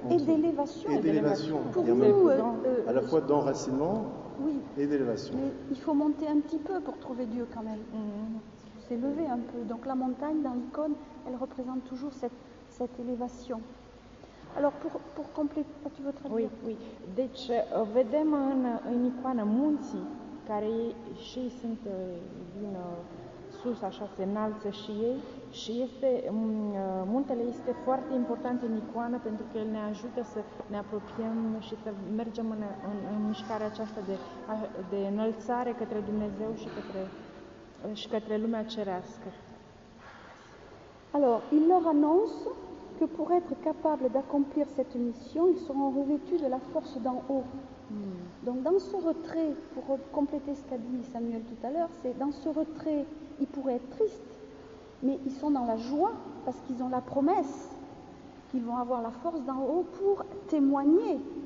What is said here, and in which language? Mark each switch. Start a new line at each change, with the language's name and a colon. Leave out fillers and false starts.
French: Et d'élévation. À la fois d'enracinement et d'élévation. Mais il faut monter un petit peu pour trouver Dieu quand même. Mm-hmm. S'élever un peu. Donc la montagne, dans l'icône, elle représente toujours cette élévation. Alors pour compléter, tu veux traduire? Oui, oui.
Romanian: Deci, vedem în icoană munții, care și sunt din sus, așa se înalță și ei. Și este, muntele este foarte important în icoană pentru că el ne ajută să ne apropiem și să mergem în mișcarea aceasta de înălțare către Dumnezeu și către lumea cerească.
French: Alors, il leur annonce que pour être capable d'accomplir cette mission, ils seront revêtus de la force d'en haut. Donc dans ce retrait, pour compléter ce qu'a dit Samuel tout à l'heure, c'est dans ce retrait, ils pourraient être tristes. Mais ils sont dans la joie parce qu'ils ont la promesse qu'ils vont avoir la force d'en haut pour témoigner.